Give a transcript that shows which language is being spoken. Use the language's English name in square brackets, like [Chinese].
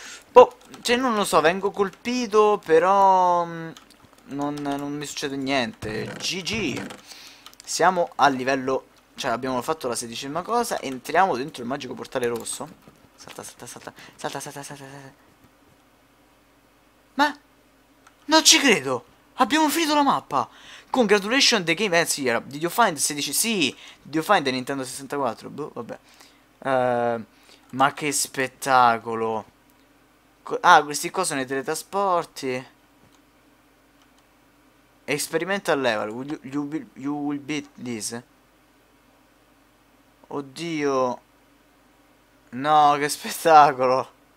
[Italian] Boh, cioè non lo so, vengo colpito, però non mi succede niente. GG. Siamo a livello. Cioè, abbiamo fatto la sedicesima cosa. Entriamo dentro il magico portale rosso. Salta, salta, salta. Salta, salta, salta, salta. Ma non ci credo! Abbiamo finito la mappa! [English] Congratulations, the game ends here. Did you find 16? Sì! Did you find the Nintendo 64? [Italian] Boh, vabbè. Ma che spettacolo! Ah, questi qua sono i teletrasporti. [English] Experimental level. You will beat this? [Italian] Oddio. No, che spettacolo.